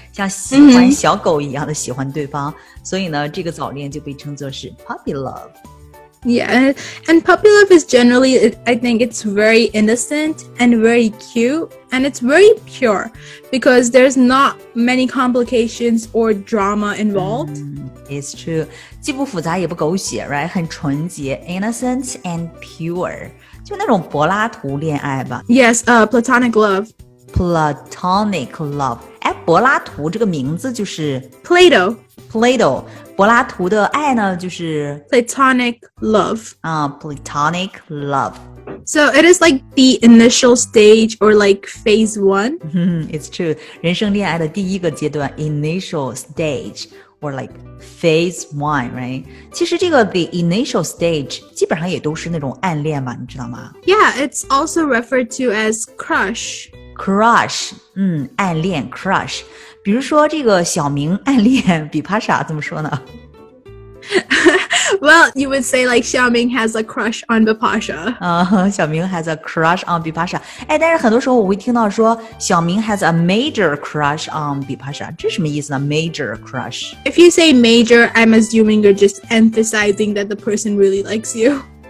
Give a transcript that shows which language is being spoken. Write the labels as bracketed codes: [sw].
[zh] 像喜欢小狗一样的喜欢对方。所以呢这个早恋就被称作是 puppy love. [en] Yeah, and puppy love is generally, I think it's very innocent and very cute and it's very pure because there's not many complications or drama involved. It's true. [zh] 既不复杂也不狗血 right? 很纯洁 [en] innocent and pure. [zh] 就那种柏拉图恋爱吧。 [en] Yes, platonic love. Platonic love. [zh] 哎，柏拉图这个名字就是 [en] Plato. [zh] Plato. 柏拉图的爱呢就是 [en] Platonic love. Platonic love. So it is like the initial stage or like phase one. It's true. [zh] 人生恋爱的第一个阶段 [en] initial stage. Or like phase one, right? [zh] 其实这个 [en] the initial stage [zh] 基本上也都是那种暗恋嘛，你知道吗？ [en] Yeah, it's also referred to as crush. Crush, 暗恋 crush. [zh] 比如说这个小明暗恋比帕莎，怎么说呢？ [en] Well, you would say like Xiaoming has a crush on Bipasha. Xiaoming has a crush on Bipasha. [zh] 哎，但是很多时候我会听到说 [en] Xiaoming has a major crush on Bipasha. [zh] 这什么意思呢 Major crush. [en] If you say major, I'm assuming you're just emphasizing that the person really likes you.